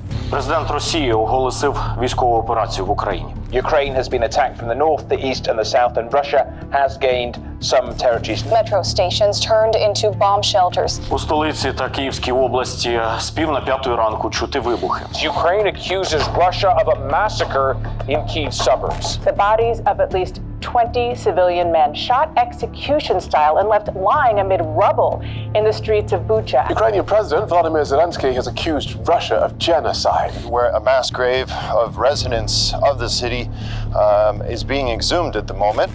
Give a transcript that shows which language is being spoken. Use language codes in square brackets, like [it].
[uk] Президент Росії оголосив військову операцію в Україні. [en] Ukraine has been attacked from the north, the east and the south, and Russia has gained some territories. Metro stations turned into bomb shelters. [uk] У столиці та Київській області з пів на п'ятої ранку чути вибухи. [en] Ukraine accuses Russia of a massacre in Kyiv suburbs. The bodies of at least 20 civilian men shot execution style and left lying amid rubble in the streets of Bucha. Ukrainian President Volodymyr Zelensky has accused Russia of genocide, where a mass grave of residents of the city is being exhumed at the moment.